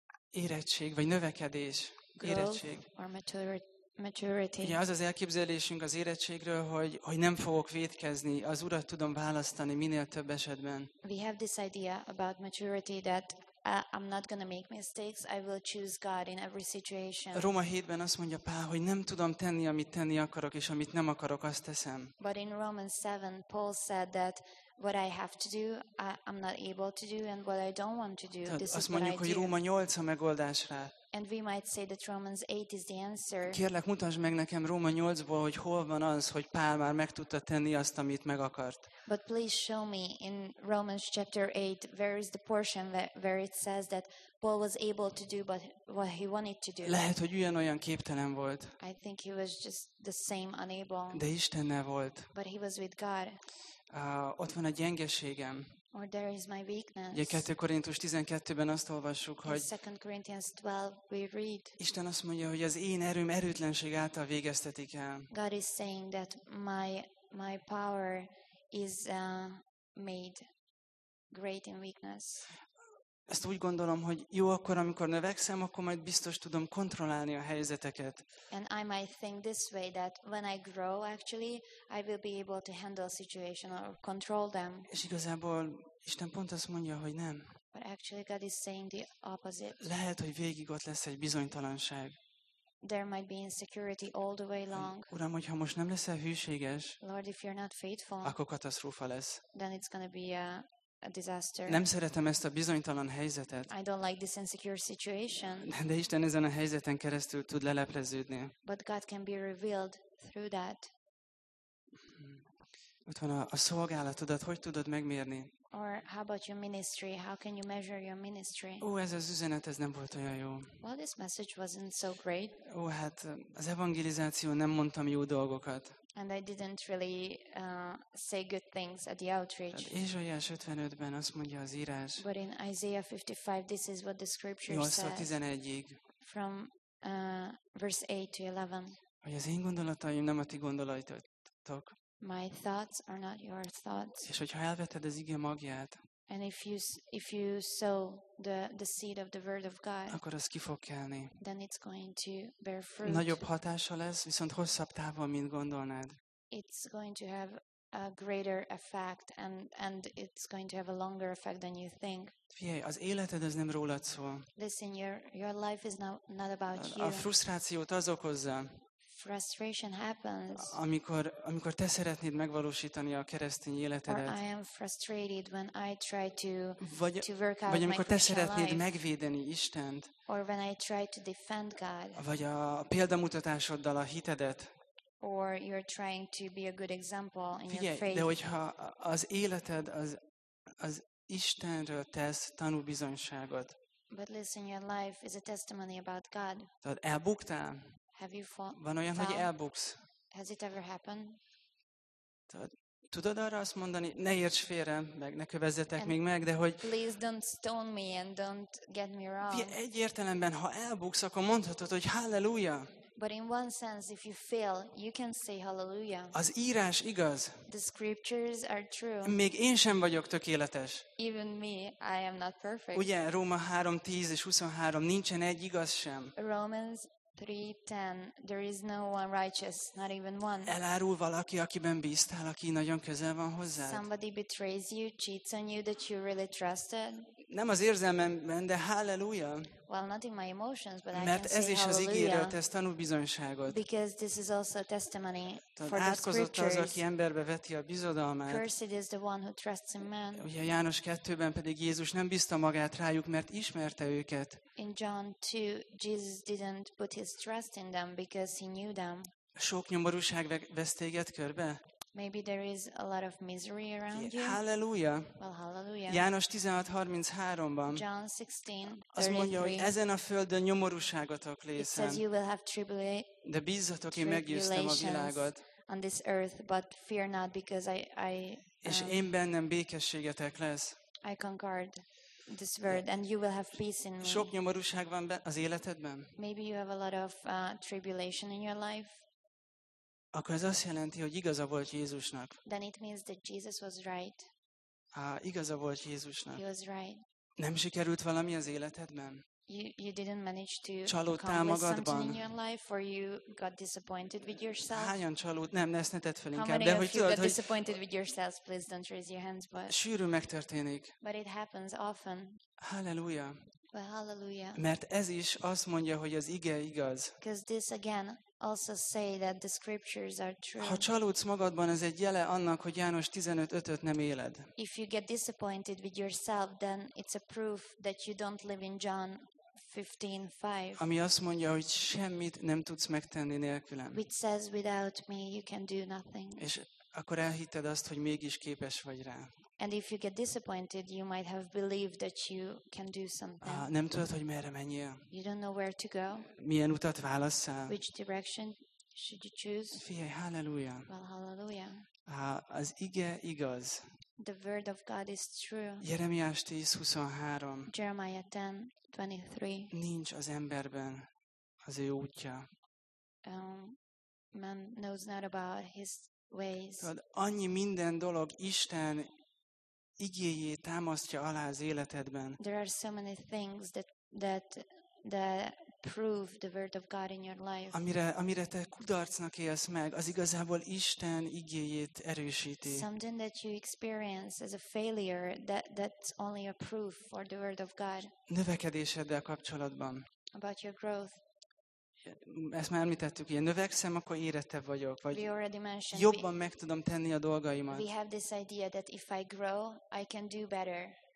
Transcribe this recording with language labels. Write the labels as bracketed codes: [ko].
[hu] Érettség vagy növekedés. Érettség. [en] Or maturity. [hu] Ugye az az elképzelésünk az érettségről, hogy nem fogok vétkezni, az Urat tudom választani minél több esetben. [en] We have this idea about maturity that I'm not going to make mistakes. I will choose God in every situation. [hu] Róma 7-ben azt mondja Pál, hogy nem tudom tenni, amit tenni akarok, és amit nem akarok, azt teszem. [en] But in Romans 7, Paul said that what I have to do, I'm not able to do, and what I don't want to do, this is what I do. [hu] Azt mondjuk, hogy Róma 8 a megoldás rá. [en] And we might say that Romans 8 is the answer. [hu] Kérlek, mutasd meg nekem Róma 8-ból, hogy hol van az, hogy Pál már meg tudta tenni azt, amit meg akart. [en] But please show me in Romans chapter 8 where is the portion where it says that Paul was able to do but what he wanted to do. [hu] Lehet, hogy ugyanolyan képtelen volt. [en] I think he was just the same, unable. [hu] De Istennel volt. [en] But he was with God. [hu] Ott van a gyengeségem. [en] Or there is my weakness. [hu] Ugye 2 Korintus 12-ben azt olvassuk, hogy [en] in 2 Corinthians 12 we read. [hu] Isten azt mondja, hogy az én erőm erőtlenség által végeztetik el. [en] God is saying that my power is made great in weakness. [hu] Ezt úgy gondolom, hogy jó akkor, amikor növekszem, akkor majd biztos tudom kontrollálni a helyzeteket. [en] And I might think this way that when I grow actually, I will be able to handle a situation or control them. [hu] És igazából Isten pont azt mondja, hogy nem. [en] But actually God is saying the opposite. [hu] Lehet, hogy végig ott lesz egy bizonytalanság. [en] There might be insecurity all the way long. [hu] Uram, hogyha most nem leszel hűséges, [en] Lord, if you're not faithful, [hu] akkor katasztrófa lesz. [en] Then it's gonna be a disaster. [hu] Nem szeretem ezt a bizonytalan helyzetet. [en] I don't like this insecure situation. [hu] De Isten ezen a helyzeten keresztül tud lelepleződni. [en] But God can be revealed through that. [hu] Ott van a szolgálatodat, hogy tudod megmérni? [en] Or how about your ministry? How can you measure your ministry? [hu] Ez az üzenet, ez nem volt olyan jó. [en] Well, this message wasn't so great. [hu] Hát az evangelizáció, nem mondtam jó dolgokat. [en] And I didn't really say good things at the outreach. [hu] Ézsaiás 55-ben azt mondja az írás. [en] But in Isaiah 55, this is what the scripture says. 8-11-ig. From verse 8 to 11. [hu] Hogy az én gondolataim nem a ti gondolataitok. [en] My thoughts are not your thoughts. [hu] És hogyha elveted az ige magját, [en] and if you sow the seed of the word of God, [hu] akkor az ki fog kelni. [en] Then it's going to bear fruit. [hu] Nagyobb hatása lesz, viszont hosszabb távon, mint gondolnád. [en] It's going to have a greater effect and it's going to have a longer effect than you think. [hu] Figyelj, az életed az nem rólad szól. [en] Listen, your life is not about you. [hu] A frusztrációt az okozza. [en] Frustration happens. [hu] Amikor te szeretnéd megvalósítani a keresztény életedet. [en] Or I am frustrated when I try to work out. [hu] Vagy amikor te szeretnéd megvédeni Istent. [en] Or when I try to defend God. [hu] Vagy a példamutatásoddal a hitedet. [en] Or you're trying to be a good example in [hu] Figyelj, [en] your faith. [hu] De hogyha az életed az Istenről tesz tanúbizonyságot. [en] But listen, your life is a testimony about God. [hu] Tehát elbuktál. [en] Have you fought? [hu] Van olyan, hogy elbuksz. [en] Has it ever happened? [hu] Tudod arra azt mondani, ne érts félre, meg ne kövezzetek még meg, de hogy [en] please don't stone me and don't get me wrong. [hu] Egy értelemben, ha elbuksz, akkor mondhatod, hogy halleluja. [en] But in one sense, if you fail, you can say hallelujah. [hu] Az írás igaz. [en] The scriptures are true. [hu] Még én sem vagyok tökéletes. [en] Even me, I am not perfect. [hu] Ugye, Róma 3:10 és 23, nincsen egy igaz sem. [en] Romans 3:10, there is no one righteous, not even one. [hu] Elárul valaki, akiben bíztál, aki nagyon közel van hozzád. [en] Somebody betrays you, cheats on you that you really trusted. [hu] Nem az érzelmemben, de halleluja. [en] Well, not in my emotions, but I can say [hu] mert ez is [en] hallelujah. [hu] Az ígéről tesz tanúbizonyságot. [en] Because this is also a testimony for the scriptures. [hu] Átkozott az, aki emberbe veti a bizodalmát. [en] Cursed is the one who trusts in man. [hu] Ugye János 2-ben pedig Jézus nem bízta magát rájuk, mert ismerte őket. [en] In John 2, Jesus didn't put his trust in them because he knew them. [hu] Sok nyomorúság vesz téged körbe? [en] Maybe there is a lot of misery around you. [hu] Hallelujah. [en] Well, hallelujah. [hu] János 16:33-ban. [en] John 16:33. [hu] Azt mondja, hogy ezen a földön nyomorúságotok lészen. [en] It says you will have [hu] de bízzatok, én meggyőztem a világot. [en] On this earth, but fear not because I [hu] és én bennem békességetek lesz. [en] I conquered this world and you will have peace in me. [hu] Sok nyomorúság van az életedben? [en] Maybe you have a lot of tribulation in your life. [hu] Akkor ez azt jelenti, hogy igaza volt Jézusnak. [en] Then it means that Jesus was right. [hu] Igaza volt Jézusnak. [en] He was right. [hu] Nem sikerült valami az életedben? [en] You didn't manage to [hu] csalódtál magadban? [en] In your life, or you got disappointed with yourself? [hu] Hányan csalód? Nem, ne ezt ne tedd fel inkább. De hogy tudod, hogy [en] disappointed with yourself, please don't raise your hands, but [hu] sűrű megtörténik. [en] But it happens often. [hu] Halleluja. [en] Well, hallelujah. [hu] Mert ez is azt mondja, hogy az ige igaz. [en] Because this again also say that the scriptures are true. [hu] Ha csalódsz magadban, ez egy jele annak, hogy János 15:5-öt nem éled. [en] If you get disappointed with yourself, then it's a proof that you don't live in John 15:5. [hu] Ami azt mondja, hogy semmit nem tudsz megtenni nélkülem. [en] Which says without me you can do nothing. [hu] És akkor elhitted azt, hogy mégis képes vagy rá. [en] And if you get disappointed, you might have believed that you can do something. [hu] Nem tudod, hogy merre menjél. [en] You don't know where to go. [hu] Milyen utat válasszál. [en] Which direction should you choose? [hu] Figyelj, halleluja. [en] Well, halleluja. [hu] Az ige igaz. [en] The word of God is true. [hu] Jeremiás 10:23. [en] Jeremiah 10:23. [hu] Nincs az emberben az ő útja. [en] Man knows not about his ways. [hu] Annyi minden dolog Isten igéjét támasztja alá az életedben. [en] There are so many things that prove the word of God in your life. [hu] Amire te kudarcnak élsz meg, az igazából Isten igéjét erősíti. [en] Something that you experience as a failure, that's only a proof for the word of God. [hu] Növekedéseddel kapcsolatban. [en] About your growth. [hu] Ezt már említettük, ilyen növekszem, akkor érettebb vagyok, vagy [en] we already mentioned, [hu] jobban meg tudom tenni a dolgaimat. [en] We have this idea that if I grow, I can do better.